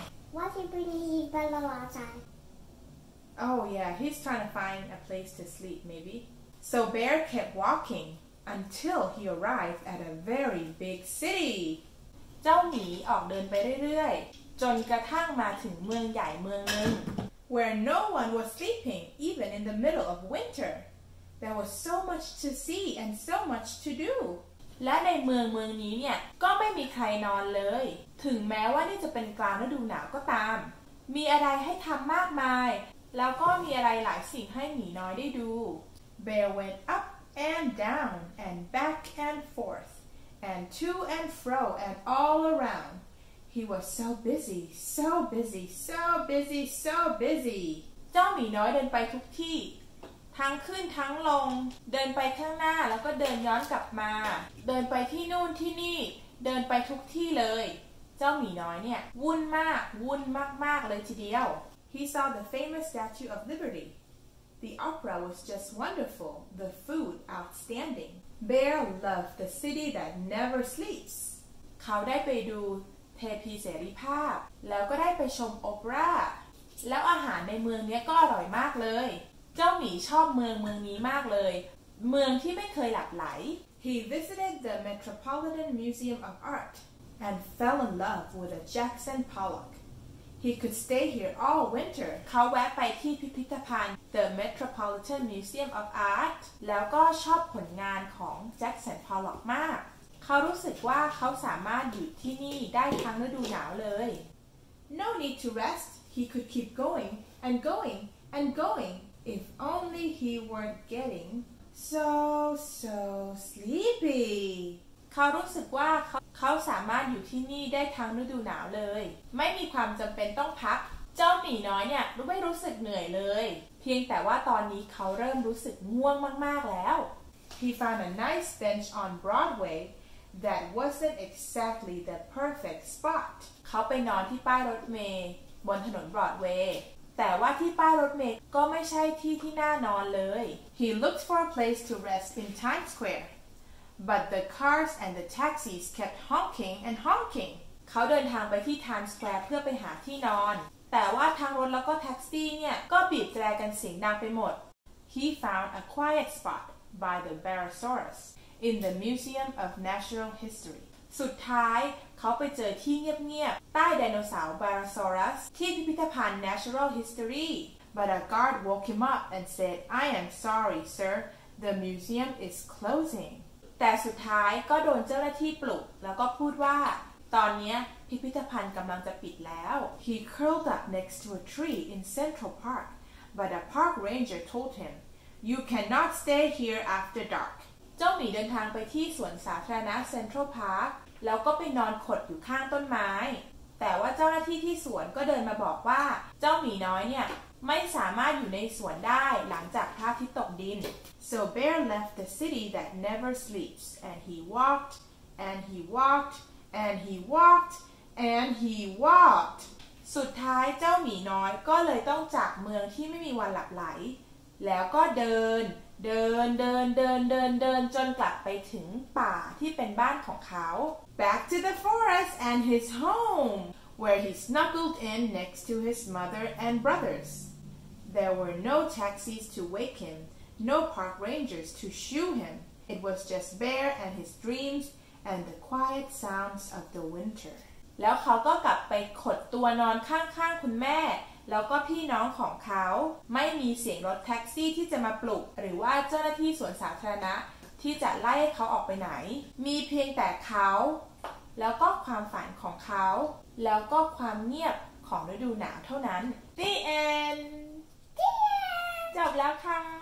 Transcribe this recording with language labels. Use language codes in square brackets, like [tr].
[en] What he bring in the lodge? Oh yeah, he's trying to find a place to sleep, maybe. So Bear kept walking until he arrived at a very big city. [th] เจ้าหมีออกเดินไปเรื่อยๆจนกระทั่งมาถึงเมืองใหญ่เมืองนึง [en] Where no one was sleeping, even in the middle of winter. There was so much to see and so much to do. [th] และในเมืองนี้เนี่ยก็ไม่มีใครนอนเลยถึงแม้ว่านี่จะเป็นกลางฤดูหนาวก็ตามมีอะไรให้ทำมากมายแล้วก็มีอะไรหลายสิ่งให้หมีน้อยได้ดู [en] Bear went up and down and back and forth and to and fro and all around He was so busy, so busy, so busy, so busy [th] เจ้าหมีน้อยเดินไปทุกที่ทั้งขึ้นทั้งลงเดินไปข้างหน้าแล้วก็เดินย้อนกลับมาเดินไปที่นู่นที่นี่เดินไปทุกที่เลยเจ้าหมีน้อยเนี่ยวุ่นมากวุ่นมากๆเลยทีเดียว [en] He saw the famous Statue of Liberty. The opera was just wonderful, the food outstanding. Bear loved the city that never sleeps. [th] เขาได้ไปดูเทพีเสรีภาพแล้วก็ได้ไปชมโอเปร่าแล้วอาหารในเมืองนี้ก็อร่อยมากเลยเจ้าหมีชอบเมืองนี้มากเลยเมืองที่ไม่เคยหลับไหล [en] He visited the Metropolitan Museum of Art and fell in love with a Jackson Pollock. He could stay here all winter. [th] เขาแวะไปที่พิพิธภัณฑ์ The Metropolitan Museum of Art แล้วก็ชอบผลงานของ Jackson Pollock มากเขารู้สึกว่าเขาสามารถอยู่ที่นี่ได้ทั้งฤดูหนาวเลย [en] No need to rest. He could keep going and going and going if only he weren't getting so so sleepy. [th] เขารู้สึกว่าเขาสามารถอยู่ที่นี่ได้ทั้งฤดูหนาวเลยไม่มีความจำเป็นต้องพักเจ้าหมีน้อยเนี่ยไม่รู้สึกเหนื่อยเลยเพียงแต่ว่าตอนนี้เขาเริ่มรู้สึกง่วงมากๆแล้ว [en] He found a nice bench on Broadway that wasn't exactly the perfect spot [th] เขาไปนอนที่ป้ายรถเมล์บนถนนบรอดเวย์แต่ว่าที่ป้ายรถเมล์ก็ไม่ใช่ที่ที่น่านอนเลย [en] He looked for a place to rest in Times SquareBut the cars and the taxis kept honking and honking. [th] เขาเดินทางไปที่ Times Square เพื่อไปหาที่นอนแต่ว่าทางรถแล้วก็แท็กซี่เนี่ยก็บีบแตรกันเสียงดังไปหมด [en] He found a quiet spot by the Barosaurus in the Museum of Natural History. [th] สุดท้ายเขาไปเจอที่เงียบๆใต้ไดโนเสาร์ Barosaurus ที่พิพิธภัณฑ์ Natural History. [en] But a guard woke him up and said, "I am sorry, sir. The museum is closing." [th] แต่สุดท้ายก็โดนเจ้าหน้าที่ปลุกแล้วก็พูดว่าตอนนี้พิพิธภัณฑ์กำลังจะปิดแล้ว [en] He curled up next to a tree in Central Park but a park ranger told him you cannot stay here after dark [th] เจ้าหมีเดินทางไปที่สวนสาธารณะ Central Park แล้วก็ไปนอนขดอยู่ข้างต้นไม้แต่ว่าเจ้าหน้าที่ที่สวนก็เดินมาบอกว่าเจ้าหมีน้อยเนี่ยไม่สามารถอยู่ในสวนได้หลังจากพระอาทิตย์ตกดิน [en] So Bear left the city that never sleeps and he walked and he walked and he walked and he walked [th] สุดท้ายเจ้าหมีน้อยก็เลยต้องจากเมืองที่ไม่มีวันหลับไหลแล้วก็เดินเดินเดินเดินเดินเดินจนกลับไปถึงป่าที่เป็นบ้านของเขา [en] Back to the forest and his homeWhere he snuggled in next to his mother and brothers. There were no taxis to wake him, no park rangers to shoo him. It was just Bear and his dreams and the quiet sounds of the winter. [th] แล้วเขาก็กลับไปขดตัวนอนข้างๆคุณแ แล้วก็พี่น้องของเขาไม่มีเสียงรถแท็กซี่ที่จะมาปลุกหรือว่าเจ้าหน้าที่สวนสาธารณะที่จะไล่ให้เขาออกไปไหนมีเพียงแต่เขาแล้วก็ความฝันของเขาแล้วก็ความเงียบของฤดูหนาวเท่านั้น [en] The end [th] จบแล้วค่ะ